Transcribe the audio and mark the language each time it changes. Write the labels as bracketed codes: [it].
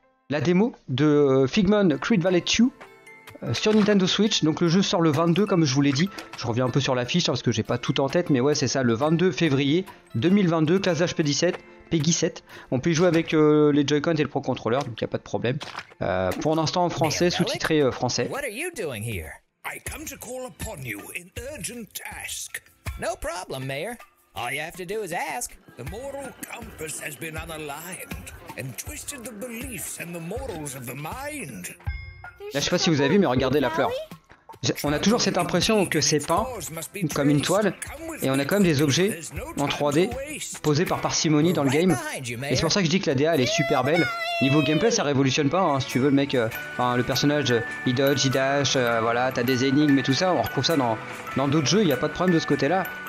[fr] la démo de Figment Creed Valley 2 sur Nintendo Switch. Donc le jeu sort le 22, comme je vous l'ai dit. Je reviens un peu sur l'affiche parce que j'ai pas tout en tête, mais ouais, c'est ça, le 22 février 2022, classe d'âge PEGI 7. On peut y jouer avec les Joy-Con et le Pro Controller, donc y a pas de problème. Pour l'instant en français, sous-titré français. [en] What are you doing here? I come to call upon you in urgent task. No problem, Mayor. All you have to do is ask. The moral compass has been unaligned and twisted the beliefs and the morals of the mind. [fr] Là, je sais pas si vous avez vu, mais regardez la fleur. On a toujours cette impression que c'est peint comme une toile, et on a quand même des objets en 3D posés par parcimonie dans le game. Et c'est pour ça que je dis que la DA elle est super belle. Niveau gameplay, ça révolutionne pas, hein. Si tu veux, le mec, le personnage, il dodge, il dash, voilà, t'as des énigmes et tout ça. On retrouve ça dans d'autres jeux, il n'y a pas de problème de ce côté-là.